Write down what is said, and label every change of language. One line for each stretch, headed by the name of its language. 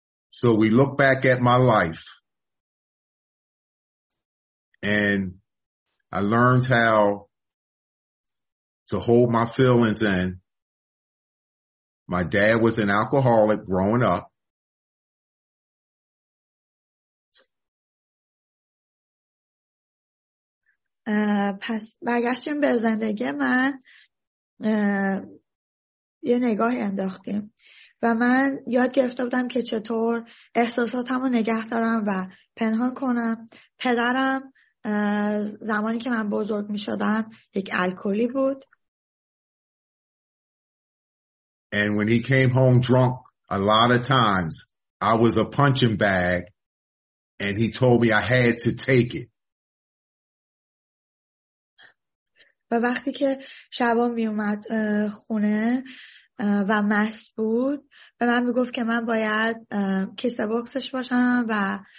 English: So we look back at my life and I learned how to hold my feelings in. My dad was an alcoholic growing up.
Persian: پس برگشتیم به زندگی من یه نگاهی انداختیم و من یاد گرفته بودم که چطور احساساتم رو نگه دارم و پنهان کنم. پدرم زمانی که من بزرگ می شدم یک الکلی بود.
English: And when he came home drunk a lot of times I was a punching bag and he told me I had to take it.
Persian: و وقتی که شبا می اومد خونه و مست بود به من می گفت که من باید کیسه بوکسش باشم و